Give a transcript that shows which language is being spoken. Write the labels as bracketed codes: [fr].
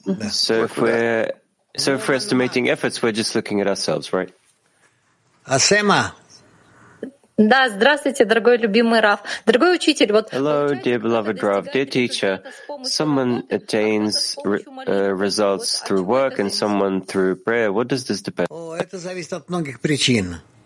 [en] So if we're estimating efforts, we're just looking at ourselves, right? [ru] Асема. Да, здравствуйте, дорогой любимый Рав, дорогой учитель. Вот. [en] Hello, dear beloved Rav, dear teacher. Someone attains results through work, and someone through prayer. What does this depend? [ru] О, это зависит от многих причин.